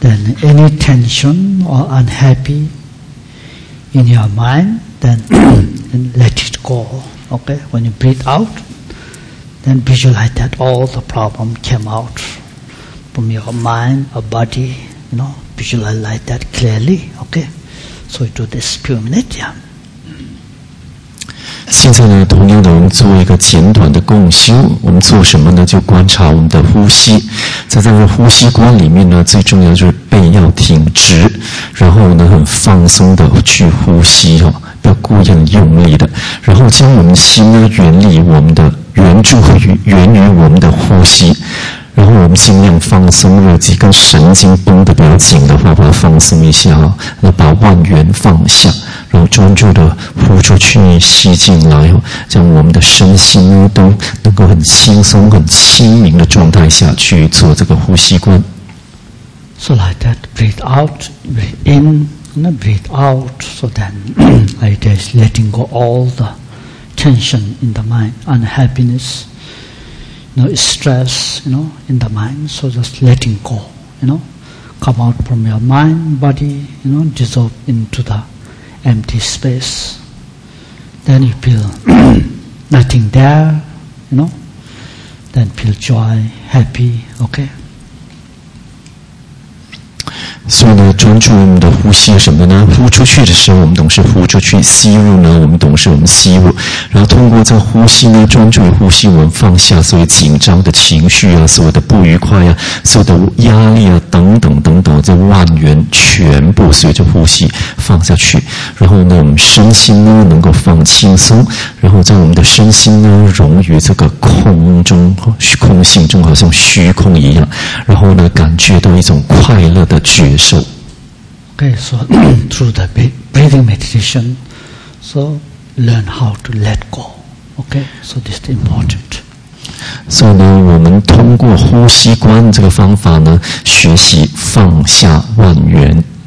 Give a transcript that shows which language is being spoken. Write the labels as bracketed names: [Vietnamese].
[English] Then any tension or unhappy in your mind, then and let it go. Okay, when you breathe out, then visualize that all the problem came out from your mind or body, you know, visualize like that clearly, okay? So you do this few minutes, yeah. [Chinese] 现在呢，同样的，我们做一个简短的共修。我们做什么呢？就观察我们的呼吸。在这个呼吸观里面呢，最重要就是背要挺直，然后呢，很放松的去呼吸哦，不要故意很用力的。然后将我们心呢，远离我们的原著源于我们的呼吸，然后我们尽量放松，如果几根神经绷得比较紧的话，把它放松一下，然后把万缘放下，然后专注的呼出去，吸进来，将我们的身心都能够很轻松、很清明的状态下去做这个呼吸观。 [English] So like that, breathe out, breathe in, and breathe out. So then, like that, letting go all the tension in the mind, unhappiness, you know, stress, you know, in the mind. So just letting go, you know, come out from your mind, body, you know, dissolve into the empty space. Then you feel nothing there, you know, then feel joy, happy, okay? [Chinese] 所以呢，专注我们的呼吸什么呢？呼出去的时候，我们总是呼出去；吸入呢，我们总是我们吸入。然后通过这个呼吸呢，专注于呼吸，我们放下所有紧张的情绪啊，所有的不愉快啊，所有的压力啊，等等等等，这万缘全部随着呼吸放下去。然后呢，我们身心呢能够放轻松，然后在我们的身心呢融于这个空中、空性中，好像虚空一样。然后呢，感觉到一种快乐的觉。 [English] Okay, so through the breathing meditation, so learn how to let go. Okay, so this is important. [Chinese] So, 呢，我们通过呼吸观这个方法呢，学习放下万缘。